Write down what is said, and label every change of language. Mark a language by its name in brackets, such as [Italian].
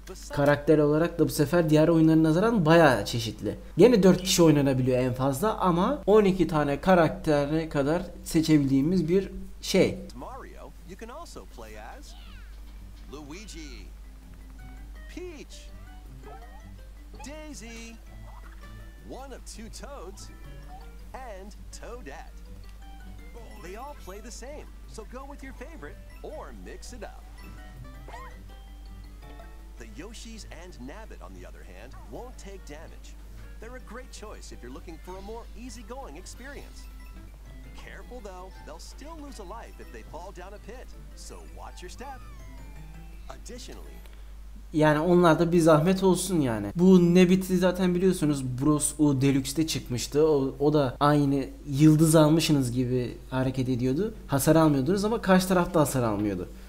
[Turkish] Karakter olarak da bu sefer diğer oyunlara nazaran bayağı çeşitli. Yine 4 kişi oynanabiliyor en fazla ama 12 tane karaktere kadar seçebildiğimiz bir şey. [English] Mario, you can also play as Luigi, Peach, Daisy, one of two Toads and Toadette. They all play the same, so go with your favorite or mix it up. The Yoshis and Nabbit, on the other hand, won't take damage. They're a great choice if you're looking for a more easygoing experience. Careful though, they'll still lose a life if they fall down a pit, so watch your step. [Turkish] Additionally, yani onlar da bir zahmet olsun yani. Bu Nabbit'i zaten biliyorsunuz Bros. U Deluxe'de çıkmıştı. O da aynı yıldız almışsınız gibi hareket ediyordu. Hasar almıyordunuz ama karşı taraf da hasar almıyordu.